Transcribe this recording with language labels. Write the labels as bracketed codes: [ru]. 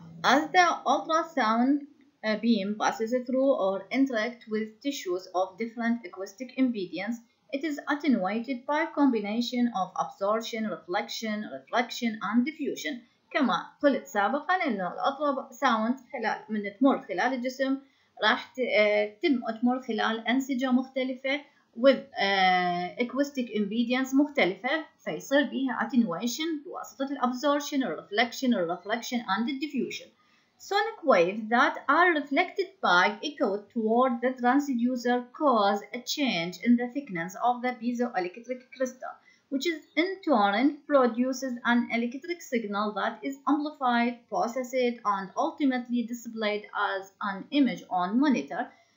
[en] As the ultrasound beam passes through or interacts with tissues of different acoustic impedance, It is attenuated by combination of absorption, reflection and diffusion. [ar] كما قلت سابقا انه الالترا ساوند خلال من تمر خلال الجسم راح تمر خلال انسجة مختلفة [en] with acoustic impedance [ar] مختلفة فيصير بها attenuation بواسطة ال [en] absorption or reflection or reflection and the diffusion. Sonic waves that are reflected by echo toward the transducer cause a change in the thickness of the piezoelectric crystal, which is in turn produces an electric signal that is amplified, processed and ultimately displayed as an image on monitor.